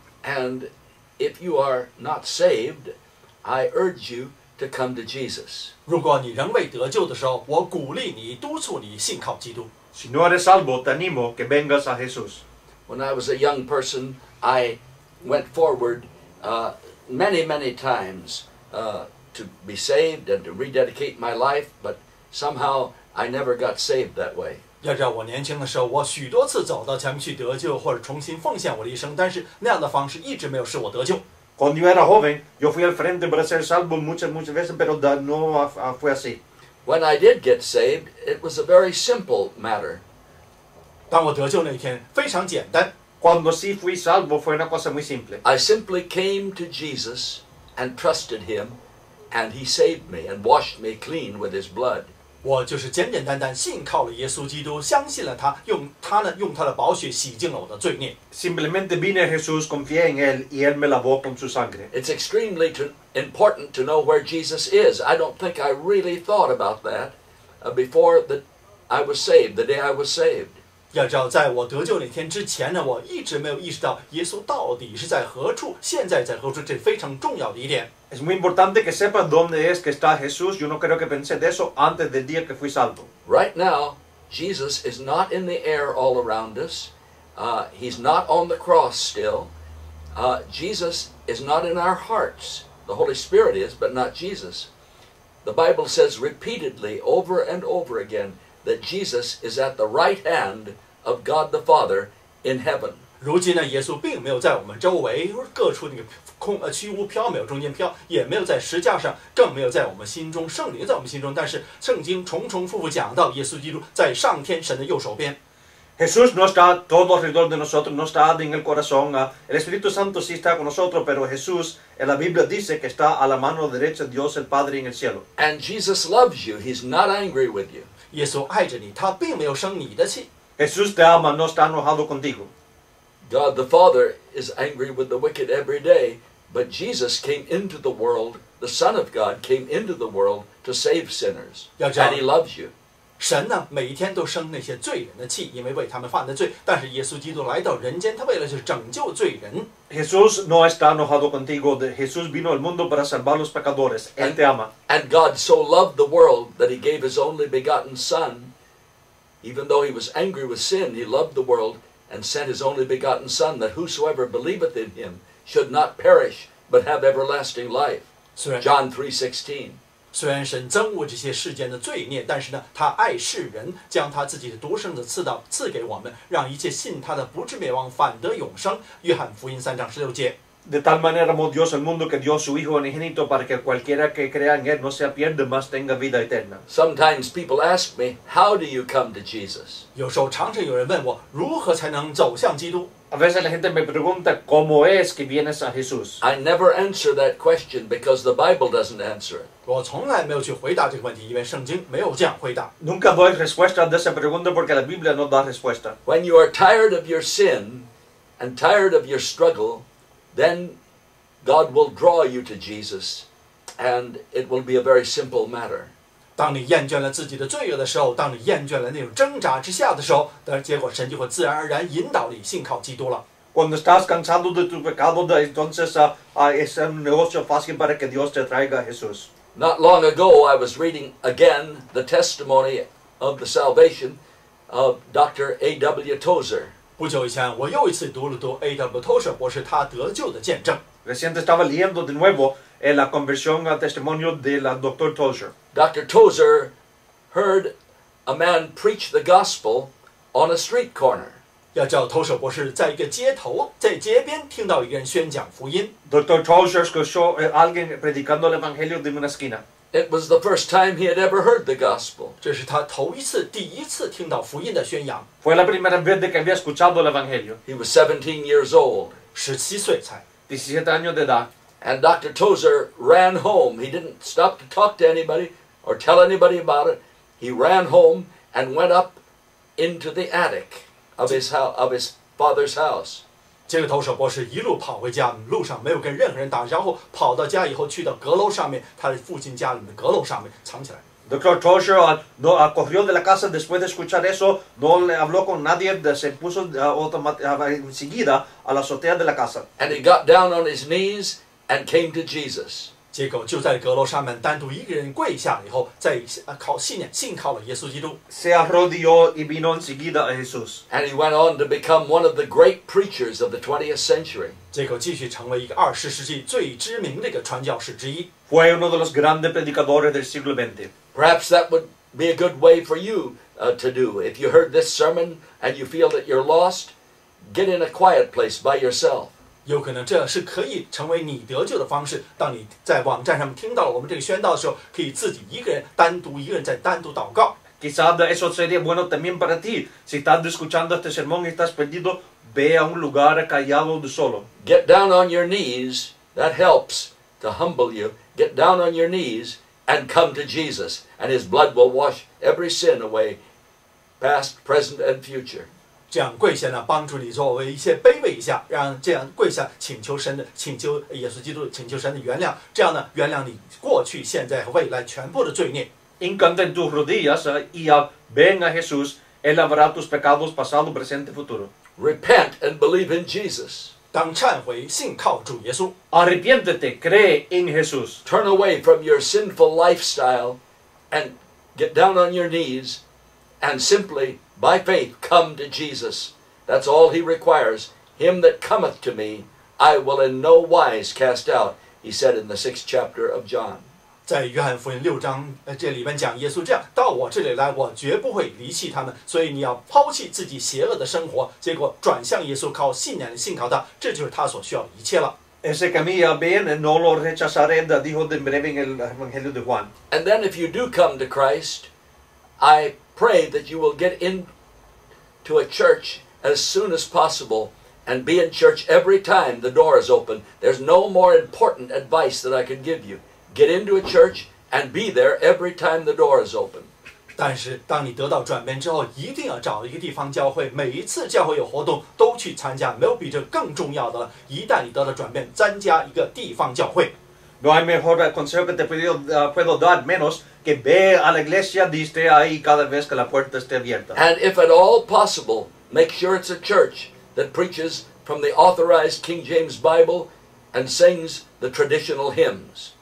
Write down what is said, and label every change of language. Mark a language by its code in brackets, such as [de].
[en] And if you are not saved, I urge you to come to Jesus. [zh] 如果你仍未得救的时候，我鼓励你，督促你信靠基督。 [es] Si no eres salvo, te animo que vengas a Jesús. [en] When I was a young person, I went forward many times to be saved and to rededicate my life, but somehow. I never got saved that way. [zh] 要知道我年轻的时候，我许多次走到前面去得救，或者重新奉献我的一生，但是那样的方式一直没有使我得救。 [es] Cuando yo era joven, yo fui al frente para ser salvo muchas veces, pero no fue así. [en] When I did get saved, it was a very simple matter. [zh] 当我得救那天，非常简单。 [es] Cuando sí fui salvo, fue una cosa muy simple. [en] I simply came to Jesus and trusted Him, and He saved me and washed me clean with His blood. [zh] 我就是简简单单信靠了耶稣基督，相信了他，用他的宝血洗净了我的罪孽。 [es] Simplemente vine a Jesús, confié en él y él me lavó con su sangre. [en] It's extremely important to know where Jesus is. I don't think I really thought about that before that I was saved. The day I was saved. [zh] 要知道，在我得救那天之前呢，我一直没有意识到耶稣到底是在何处，现在在何处，这非常重要的一点。 [es] Es muy importante que sepas dónde es que está Jesús. Yo no creo que pensé de eso antes del día que fui salvo. [en] Right now, Jesus is not in the air all around us. He's not on the cross still. Jesus is not in our hearts. The Holy Spirit is, but not Jesus. The Bible says repeatedly, over and over again, that Jesus is at the right hand of God the Father in heaven. [zh] 如今呢，耶稣并没有在我们周围各处那个。虚无缥缈中间飘，也没有在石架上，更没有在我们心中，圣灵在我们心中，但是圣经重重复复讲到耶稣基督在上天神的右手边。 [es] Jesús no está todo alrededor de nosotros, no está en el corazón, el Espíritu Santo sí está con nosotros, pero Jesús en la Biblia dice que está a la mano derecha de Dios el Padre en el cielo. [en] And Jesus loves you, he's not angry with you. [zh] 耶稣爱着你，他并没有生你的气。 [es] Jesús te ama, no está enojado contigo. [en] God the Father is angry with the wicked every dayBut Jesus came into the world, the Son of God came into the world to save sinners. And He loves you. [zh] 神呢，每一天都生那些罪人的气，因为为他们犯的罪。但是耶稣基督来到人间，他为了是拯救罪人。 [es] Jesús no está enojado contigo. Jesús vino al mundo para salvar los pecadores. Él te ama. [en] And God so loved the world that He gave His only begotten Son. Even though He was angry with sin, He loved the world and sent His only begotten Son that whosoever believeth in Him. Should not perish, but have everlasting life. John 3:16. [zh] 虽然神憎恶这些世间的罪孽，但是呢，他爱世人，将他自己的独生子赐给我们，让一切信他的不至灭亡，反得永生。约翰福音3:16。 [es] De tal manera amó Dios el mundo que dio su Hijo unigénito para que cualquiera que crea en Él no se pierda, mas tenga vida eterna. [en] Sometimes people ask me, how do you come to Jesus? [zh] 有时候常常有人问我，如何才能走向基督？ [es] A veces la gente me pregunta, ¿cómo es que vienes a Jesús? [en] I never answer that question because the Bible doesn't answer it. [zh] 我从来没有去回答这个问题，因为圣经没有这样回答。 [es] Nunca doy respuesta a esa pregunta porque la Biblia no da respuesta. [en] When you are tired of your sin and tired of your struggle, then God will draw you to Jesus and it will be a very simple matter. [zh] 当你厌倦了自己的罪恶的时候，当你厌倦了那种挣扎之下的时候，但结果神就会自然而然引导你信靠基督了。 [es] Cuando estás cansado de tu pecado, entonces es un negocio fácil para que Dios te traiga a Jesús. [en] Not long ago, I was reading again the testimony of the salvation of Dr. A.W. Tozer. [zh] 不久以前，我又一次读了读 A.W. Tozer 博士他得救的见证。 [es] Reciente estaba leyendo de nuevo la conversión al testimonio de la Dr. Tozer. [en] Dr. Tozer heard a man preach the gospel on a street corner. [zh] 要叫 Tozer 博士在一个街头，在街边听到一个人宣讲福音。 [es] Dr. Tozer escuchó a alguien predicando el evangelio de una esquina. [en] It was the first time he had ever heard the gospel. [zh] 这是他头一次，第一次听到福音的宣扬。 [es] Fue la primera vez que había escuchado el evangelio. [en] He was 17 years old. [zh] 17岁才。 [es] 17 años de edad. [en] And Dr. Tozer ran home. He didn't stop to talk to anybody or tell anybody about it. He ran home and went up into the attic of his father's house. [zh] 这个投手博士一路跑回家，路上没有跟任何人打，然后跑到家以后去到阁楼上面，他父亲家里的阁楼上面藏起来。 [es] Dr. Tozer no corrió de la casa después de escuchar eso, no le habló con nadie, se puso enseguida a la azotea de la casa. [en] And he got down on his knees and came to Jesus. [zh] 结果就在阁楼上面单独一个人跪下以后，再靠信靠了耶稣基督。 [es] Se arrodilló y vino enseguida a Jesús. [en] And he went on to become one of the great preachers of the 20th century. [zh] 结果继续成为一个二十世纪最知名的一个传教士之一。 [es] Fue uno de los grandes predicadores del siglo XX. [en] Perhaps that would be a good way for you to do. If you heard this sermon and you feel that you're lost, get in a quiet place by yourself. [zh] 有可能这是可以成为你得救的方式。当你在网站上听到了我们这个宣道的时候，可以自己一个人单独一个人在单独祷告。 [es] Quizás eso sería bueno también para ti. Si estás escuchando este sermón y estás perdido, ve a un lugar callado de solo. [en] Get down on your knees. That helps to humble you. Get down on your knees and come to Jesus, and His blood will wash every sin away, past, present, and future. [zh] 这样跪下呢，帮助你作为一些卑微一下，让这样跪下请求神的，请求耶稣基督，请求神的原谅。这样呢，原谅你过去、现在和未来全部的罪孽。 [es] Inclina tus rodillas y ven a Jesús, él lavará tus pecados pasado, presente, futuro. [en] Repent and believe in Jesus. [zh] 当忏悔，信靠主耶稣。 [es] Arrepiéntete, cree en Jesús. [en] Turn away from your sinful lifestyle and get down on your knees and simply, by faith, come to Jesus. That's all he requires. Him that cometh to me, I will in no wise cast out, he said in the 6th chapter of John. [zh] 在约翰福音六章这里面讲耶稣这样，到我这里来我绝不会离弃他们，所以你要抛弃自己邪恶的生活，结果转向耶稣，靠信念信靠他，这就是他所需要的一切了。 [es] Ese camino viene no lo rechazaré, dijo de breve en el Evangelio de Juan. [en] And then if you do come to Christ, I pray that you will get into a church as soon as possible and be in church every time the door is open. There's no more important advice that I can give you. Get into a church and be there every time the door is open. [zh] 但是当你得到转变之后，一定要找一个地方教会，每一次教会有活动都去参加，没有比这更重要的了。一旦你得到转变，参加一个地方教会。 [es] No hay mejor consejo que te puedo dar menos que ve a la iglesia y esté ahí cada vez que la puerta esté abierta. [en] And if at all possible, make sure it's a church that preaches from the authorized King James Bible and sings the traditional hymns.